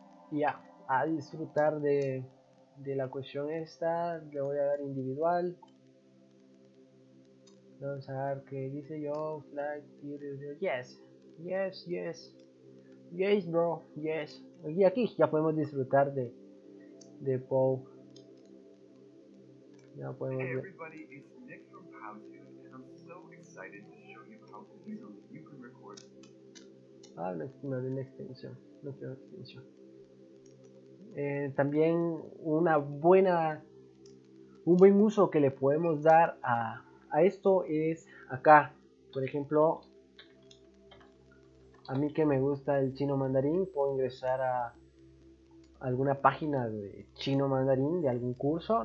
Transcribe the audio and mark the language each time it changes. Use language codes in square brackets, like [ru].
[es] Y ya, a disfrutar de la cuestión esta. Le voy a dar individual. Vamos a ver qué dice yo. Yes. Yes, yes. Yes, bro. Yes. Y aquí ya podemos disfrutar de Paul. Ya podemos ver. [en] Hey everybody, it's Nick from Powtoon and I'm so excited to show you how easily you can record. [es] Ah, no, no, de una extensión. No quiero extensión. También una buena, un buen uso que le podemos dar a esto es acá. Por ejemplo, a mí que me gusta el chino mandarín, puedo ingresar a alguna página de chino mandarín de algún curso.